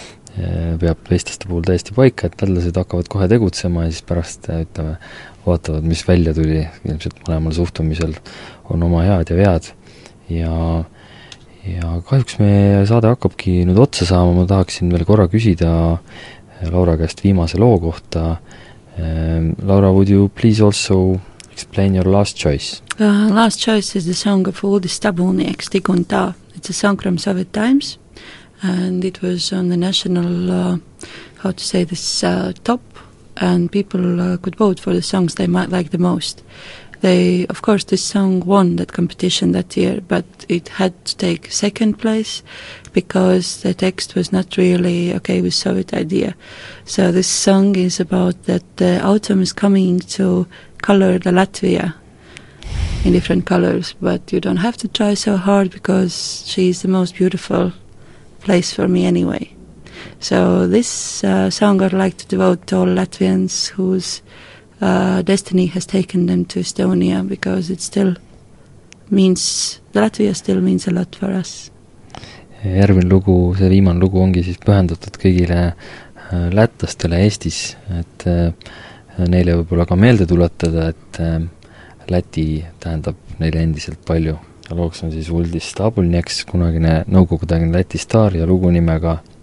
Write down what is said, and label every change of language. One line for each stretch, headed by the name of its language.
Estonian: peab eestlaste puhul täiesti paika, et tallased hakkavad kohe tegutsema ja siis pärast ütleme, vaatavad, mis välja tuli, ilmselt mõlemal suhtumisel on oma head ja vead ja kahjuks me saade hakkabki nüüd otsa saama, ma tahaksin veel korra küsida Laura käest viimase loo kohta.
English: Laura, would you please also explain your last choice? Last choice is the song of Uldi Stabulni, Eks Tikun Tā. It's a song from Soviet times, and it was on the national, how to say this, top, and people could vote for the songs they might like the most. They, of course, this song won that competition that year, but it had to take second place because the text was not really okay with Soviet idea. So this song is about that the autumn is coming to color the Latvia in different colors, but you don't have to try so hard because she is the most beautiful place for me anyway. So this song I'd like to devote to all Latvians whose destiny has taken them to Estonia because it still means, Latvia still means a lot for us.
Estonian: Järvin lugu, see viimane lugu ongi siis pühendatud kõigile lätlastele Eestis, et neile võibolla ka meelde tuletada, et Läti tähendab neile endiselt palju. Ja looks on siis Uldis Stabulnieks, kunagine nõukogudagine Läti staar ja lugu nimega